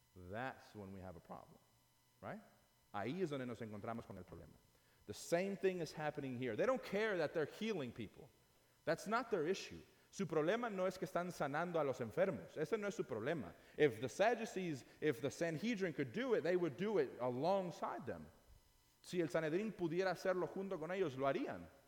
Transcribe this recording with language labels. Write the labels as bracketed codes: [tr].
[en] That's when we have a problem. Right? [es] Ahí es donde nos encontramos con el problema. [en] The same thing is happening here. They don't care that they're healing people. That's not their issue. [es] Su problema no es que están sanando a los enfermos. Ese no es su problema. [en] If the Sadducees, if the Sanhedrin could do it, they would do it alongside them. [es] Si el Sanhedrin pudiera hacerlo junto con ellos, lo harían.